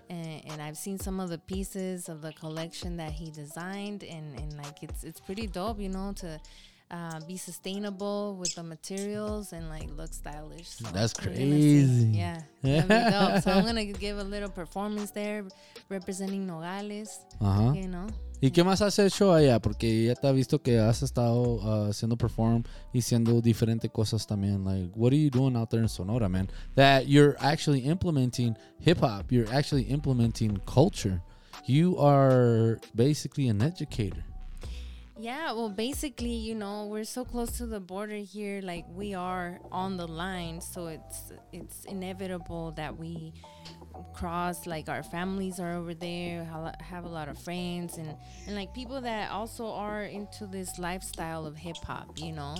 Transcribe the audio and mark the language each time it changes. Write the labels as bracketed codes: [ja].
[en] And I've seen some of the pieces of the collection that he designed, and like it's pretty dope, you know, to be sustainable with the materials and like look stylish. So that's crazy. Yeah. So I'm gonna give a little performance there representing Nogales. Uh-huh. You know. [es] ¿Y qué más has hecho allá? Porque ya te ha visto que has estado haciendo perform y haciendo diferentes cosas también. [en] Like, what are you doing out there in Sonora, man? That you're actually implementing hip-hop. You're actually implementing culture. You are basically an educator. Yeah, well, basically, you know, we're so close to the border here. Like, we are on the line. So it's inevitable that we cross, like our families are over there, have a lot of friends and like people that also are into this lifestyle of hip-hop, you know.